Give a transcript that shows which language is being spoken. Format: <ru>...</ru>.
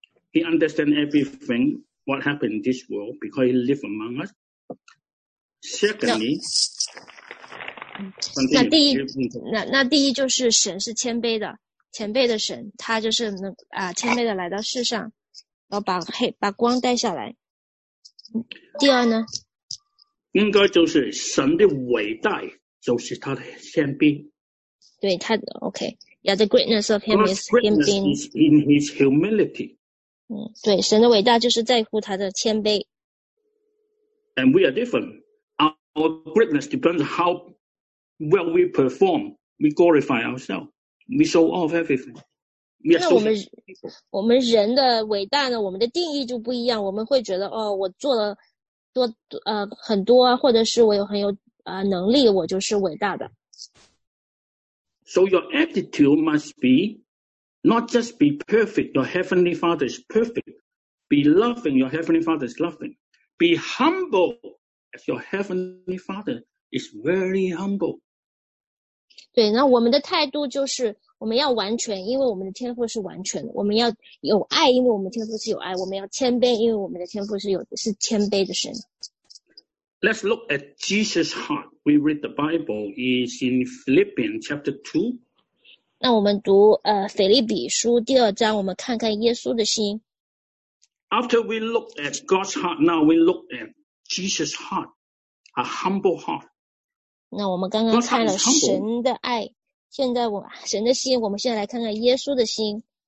<en>He understands everything what happened in this world because he lives among us. Secondly, no,</en> <zh>那第一就是神是谦卑的，谦卑的神，他就是谦卑的来到世上。然后把光带下来。第二呢？应该就是神的伟大，就是他的谦卑。对他的</zh> <en>，OK， yeah, the greatness of him is him being in his humility。</en> <zh>对，神的伟大就是在乎他的谦卑。</zh> <en>And we are different. Our greatness depends on how well we perform. We glorify ourselves. We show off everything.</en> <zh>那我们人的伟大呢，我们的定义就不一样，我们会觉得哦，我做了多很多，或者是我有很有能力，我就是伟大的。</zh> <en>So your attitude must be not just be perfect, your heavenly father is perfect. Be loving, your heavenly father is loving. Be humble, as your heavenly father is very humble.</en> <zh>对，那我们的态度就是我们要完全，因为我们的天赋是完全的。我们要有爱，因为我们天赋是有爱。我们要谦卑，因为我们的天赋是谦卑的神。</zh> <en>Let's look at Jesus' heart. We read the Bible is in Philippians chapter 2.</en> <zh>那我们读腓立比书第二章，我们看看耶稣的心。</zh> <en>After we look at God's heart, now we look at Jesus' heart, a humble heart.</en> <zh>那我们刚刚看了神的爱。现在神的心，我们现在来看看耶稣的心。</zh>